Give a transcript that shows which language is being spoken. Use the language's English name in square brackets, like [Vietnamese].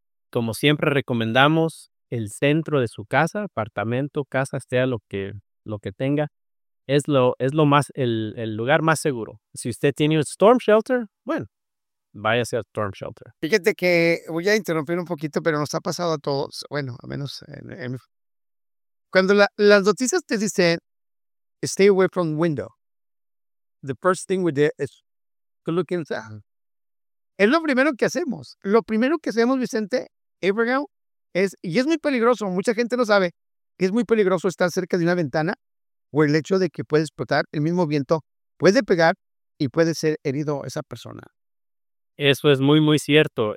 [Spanish] Como siempre recomendamos, el centro de su casa, apartamento, casa, sea lo que tenga, es lo más, el lugar más seguro. Si usted tiene un storm shelter, bueno, váyase al storm shelter. Fíjate que voy a interrumpir un poquito, pero nos ha pasado a todos, bueno, a menos en mi... Cuando las noticias te dicen, [English] stay away from the window, the first thing we did is look inside. [Spanish] Es lo primero que hacemos. Lo primero que hacemos, Vicente, Abraham, es muy peligroso. Mucha gente no sabe que es muy peligroso estar cerca de una ventana o el hecho de que puede explotar, el mismo viento puede pegar y puede ser herido esa persona. Eso es muy, muy cierto.